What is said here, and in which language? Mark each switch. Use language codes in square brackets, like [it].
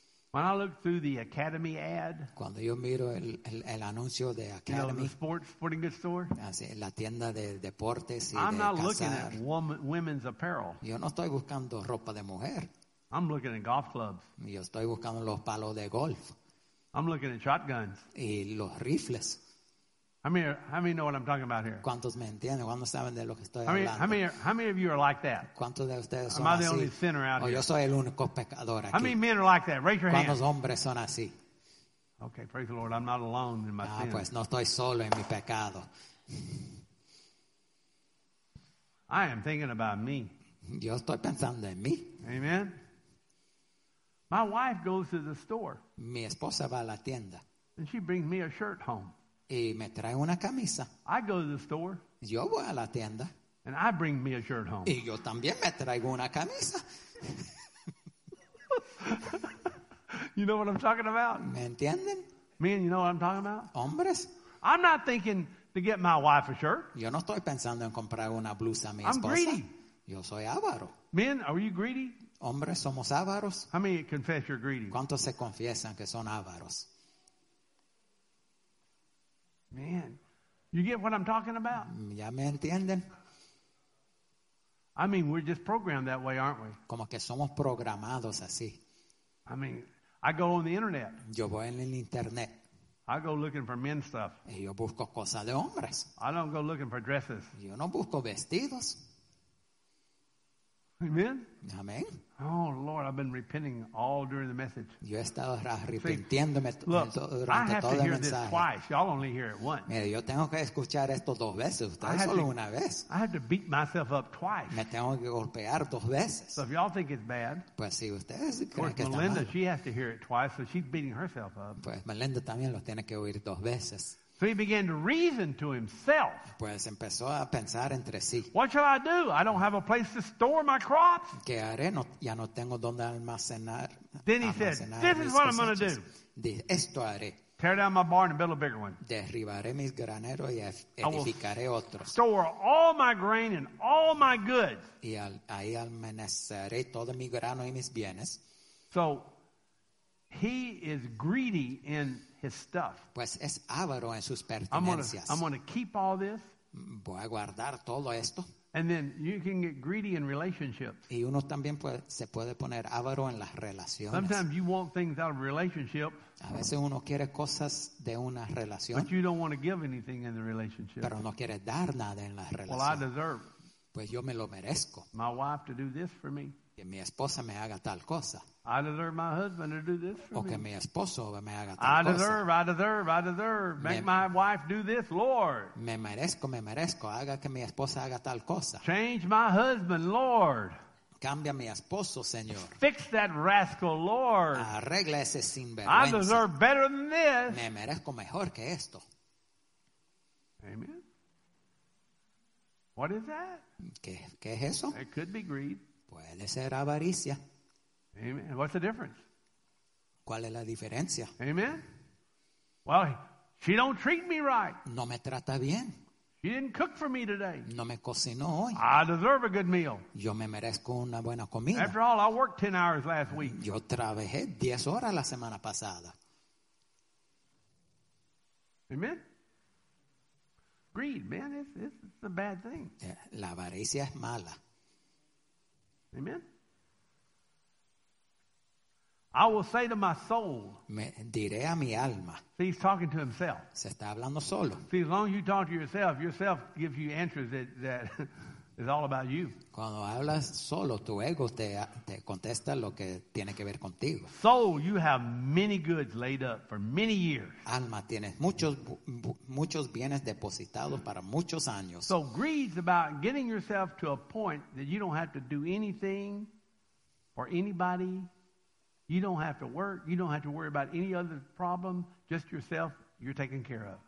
[en] When I look through the Academy ad, [es] cuando yo miro el anuncio de Academy, [en] you know, the sporting goods store, [es] así, la tienda de deportes y [en] I'm [es] de [en] not [es] cazar, [en] looking at women's apparel. [es] Yo no estoy buscando ropa de mujer. [en] I'm looking at golf clubs. [es] Yo estoy buscando los palos de golf. [en] I'm looking at shotguns. [es] Y los rifles. [en] How many know what I'm talking about here? [es] ¿Cuántos me entienden? ¿Cuántos saben de lo que estoy hablando? [en] How many of you are like that? [es] ¿Cuántos de ustedes son así? [en] Am I the only sinner out here? [es] Yo soy el único pecador aquí. [en] How many men are like that? Raise your hand. [es] ¿Cuántos hombres son así? [en] Okay, praise the Lord. I'm not alone in my sin. [es] Ah, pues no estoy solo en mi pecado. [en] I am thinking about me. [es] Yo estoy pensando en mí. Amen. [en] My wife goes to the store. [es] Mi esposa va a la tienda. [en] And she brings me a shirt home. [es] Y me trae una camisa. [en] I go to the store. [es] Yo voy a la tienda. [en] And I bring me a shirt home. [es] Y yo también me traigo una camisa. [en] You know what I'm talking about? [es] ¿Me entienden? [en] Men, you know what I'm talking about? [es] Hombres. [en] I'm not thinking to get my wife a shirt. [es] Yo no estoy pensando en comprar una blusa a mi esposa. [en] I'm greedy. [es] Yo soy avaro. [en] Men, are you greedy? [es] Hombres, somos avaros. [en] How many confess you're greedy? [es] ¿Cuántos se confiesan que son avaros? [en] Man, you get what I'm talking about? [es] Ya me entienden. [en] I mean, we're just programmed that way, aren't we? [es] Como que somos programados así. [en] I mean, I go on the internet. [es] Yo voy en el internet. [en] I go looking for men's stuff. [es] Y yo busco cosas de hombres. [en] I don't go looking for dresses. [es] Yo no busco vestidos. Amen? Amen. [en] Oh, Lord, I've been repenting all during the message. [es] Yo he estado arrepintiéndome durante todo el [en] Look, I have to hear this twice. Y'all only hear it once. [es] Mire, yo tengo que escuchar esto dos veces. Ustedes solo una vez. [en] I have to beat myself up twice. [es] Me tengo que golpear dos veces. [en] So if y'all think it's bad, [es] pues si ustedes creen que está mal. [en] Melinda, she has to hear it twice, so she's beating herself up. [es] Pues Melinda también lo tiene que oír dos veces. [en] So he began to reason to himself. [es] Pues empezó a pensar entre sí. [en] What shall I do? I don't have a place to store my crops. [es] ¿Qué haré? No, ya no tengo donde almacenar. [en] Then he said, this is what I'm going to do. [es] Esto haré. [en] Tear down my barn and build a bigger one. [es] Derribaré mis graneros y edificaré otros. [en] Store all my grain and all my goods. [es] Y ahí almacenaré todo mi grano y mis bienes. [en] So he is greedy in his stuff. [es] Pues es avaro en sus pertenencias. [en] I'm going to keep all this. [es] Voy a guardar todo esto. [en] And then you can get greedy in relationships. [es] Y uno también se puede poner avaro en las relaciones. [en] Sometimes you want things out of relationship. [es] A veces uno quiere cosas de una relación. [en] But you don't want to give anything in the relationship. [es] Pero no quiere dar nada en la relación. [en] Well, I deserve. [es] Pues yo me lo merezco. [en] My wife to do this for me. [es] Que mi esposa me haga tal cosa. [en] I deserve my husband to do this for me. [es] O que mi esposo me haga tal cosa. [en] I deserve, I deserve, I deserve. Make my wife do this, Lord. [es] Me merezco, haga que mi esposa haga tal cosa. [en] Change my husband, Lord. [es] Cambia mi esposo, Señor. [en] Fix that rascal, Lord. [es] Arregla ese sinvergüenza. [en] I deserve better than this. [es] Me merezco mejor que esto. [en] Amen. What is that? [es] ¿Qué es eso? [en] It could be greed. [es] Puede ser avaricia. [en] Amen. What's the difference? [es] ¿Cuál es la diferencia? Amen. [en] Well, she don't treat me right. [es] No me trata bien. [en] She didn't cook for me today. [es] No me cocinó hoy. [en] I deserve a good meal. [es] Yo me merezco una buena comida. [en] After all, I worked 10 hours last week. [es] Yo trabajé 10 horas la semana pasada. Amen. [en] Greed, man, it's a bad thing. [es] La avaricia es mala. Amen. [en] I will say to my soul. [es] Me diré a mi alma. [en] See, he's talking to himself. [es] Se está hablando solo. [en] See, as long as you talk to yourself, yourself gives you answers that is all about you. [es] Cuando hablas solo, tu ego te contesta lo que tiene que ver contigo. [en] Soul, you have many goods laid up for many years. [es] Alma, tienes muchos bienes depositados para muchos años. [en] So greed's about getting yourself to a point that you don't have to do anything for anybody. You don't have to work. You don't have to worry about any other problem. Just yourself, you're taken care of.